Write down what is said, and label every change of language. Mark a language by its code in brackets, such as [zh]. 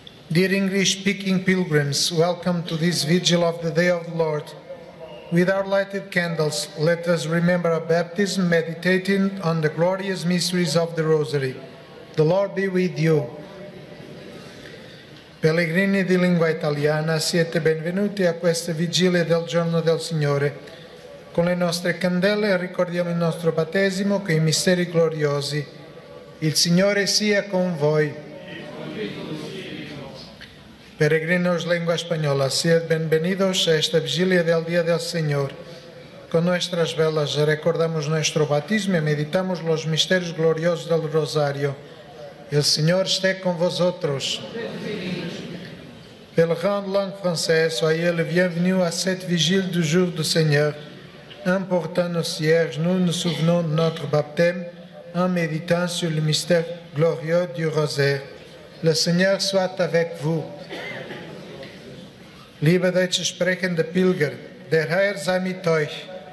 [en] Dear English-speaking pilgrims, welcome to this vigil of the Day of the Lord. With our lighted candles, let us remember our baptism, meditating on the glorious mysteries of the Rosary. The Lord be with you. [it] Pellegrini di lingua italiana, siete benvenuti a questa vigilia del giorno del Signore. Con le nostre candele ricordiamo il nostro battesimo con i misteri gloriosi. Il Signore sia con voi. [es] Peregrinos lengua española, sed bienvenidos a esta vigilia del Día del Señor. Con nuestras velas recordamos nuestro batismo y meditamos los misterios gloriosos del Rosario. El Señor esté con vosotros. [fr] Pelerin de langue française, soyez le bienvenu a cette vigile du jour du Seigneur. Important nos cierges, nous nous souvenons de notre baptême en méditant sur le mystère glorieux du rosaire. Le Seigneur soit avec vous. [de] Liebe deutsche sprechende Pilger, der Herr sei mit euch.